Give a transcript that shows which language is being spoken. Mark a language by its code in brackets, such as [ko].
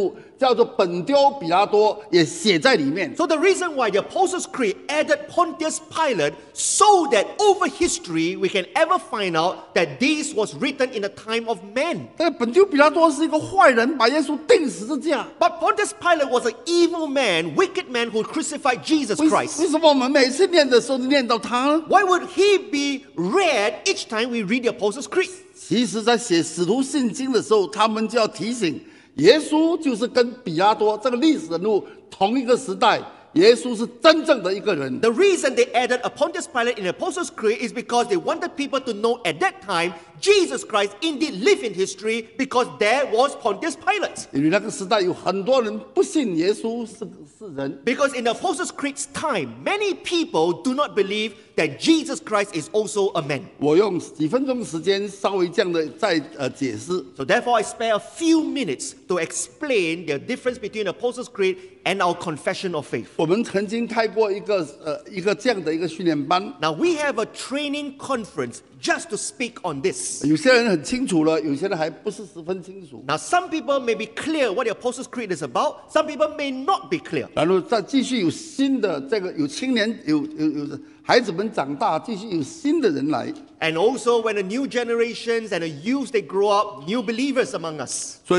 [zh] 所以他就把历史上的一个人物，到今天还可以查考的人物，叫做本丢比拉多，也写在里面。 [en] So the reason why the Apostles' Creed added Pontius Pilate, so that over history we can ever find out that this was written in the time of men. [zh] 那个本丢比拉多是一个坏人，把耶稣钉十字架。 [en] But Pontius Pilate was an evil man, wicked man who crucified Jesus Christ. [zh] 为什么我们每次念的时候念到他？ [en] Why would he be read each time we read the Apostles' Creed? [zh] 其实在写使徒信经的时候，他们就要提醒，耶稣就是跟比拉多这个历史人物同一个时代，耶稣是真正的一个人。The [en] reason they added Pontius Pilate in the Apostles' Creed is because they wanted people to know at that time Jesus Christ indeed lived in history because there was Pontius Pilate. [zh] 因为那个时代有很多人不信耶稣是人。 [en] Because in the Apostles' Creed's time, many people do not believe that Jesus Christ is also a man. [zh] 我用几分钟时间稍微这样的再解释。 [en] So therefore, I spare a few minutes to explain the difference between the Apostles' Creed and our confession of faith. [zh] 我们曾经开过一个这样的一个训练班。 [en] Now we have a training conference just to speak on this. [zh] 有些人很清楚了，有些人还不是十分清楚。 [en] Now some people may be clear what the Apostles' Creed is about. Some people may not be clear. [zh] 然后再继续有新的这个有青年有。孩子们长大，继续有新的人来。 [en] And also, when the new generations and the youth they grow up, new believers among us.